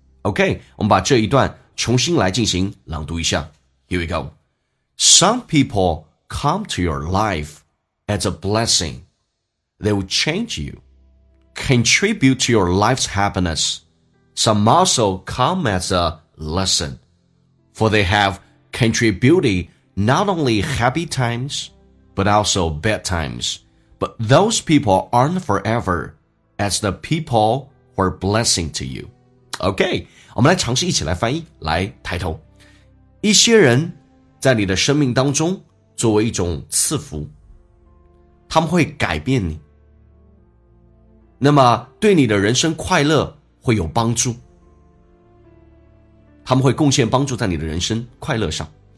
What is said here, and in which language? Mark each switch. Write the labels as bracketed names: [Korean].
[Chinese] OK, 我们把这一段重新来进行朗读一下。 [English] Here we go. Some people come to your life as a blessing. They will change you, contribute to your life's happiness. Some also come as a lesson, for they have contributed not only happy times, but also bad times. But those people aren't forever as the peoplewere blessing to you. [Chinese] OK, 我们来尝试一起来翻译，来抬头。一些人在你的生命当中作为一种赐福，他们会改变你，那么对你的人生快乐会有帮助，他们会贡献帮助在你的人生快乐上。